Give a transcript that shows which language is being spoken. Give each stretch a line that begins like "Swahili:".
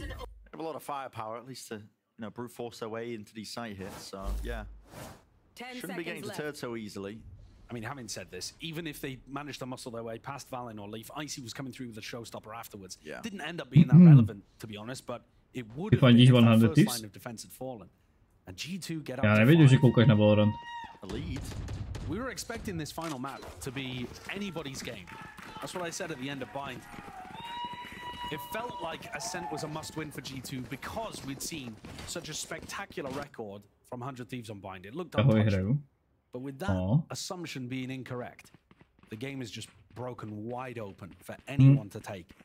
English: They have a lot of firepower, at least to, you know, brute force their way into these site hits. So, yeah. 10 shouldn't be getting deterred so easily. I mean, having said this, even if they managed to muscle their way past Valen or Leaf, Icy was coming through with a showstopper afterwards. Yeah. Didn't end up being that relevant, to be honest, but it would if have been if the first line of defense had fallen.
Czech: And G2 get up. Já nevěděl, že koukáš na Valorant.
English: We were expecting this final map to be anybody's game. That's what I said at the end of Bind. It felt like Ascent was a must-win for G2 because we'd seen such a spectacular record from 100 Thieves on Bind. It looked untouched. But with that assumption being incorrect, the game is just broken wide open for anyone to take.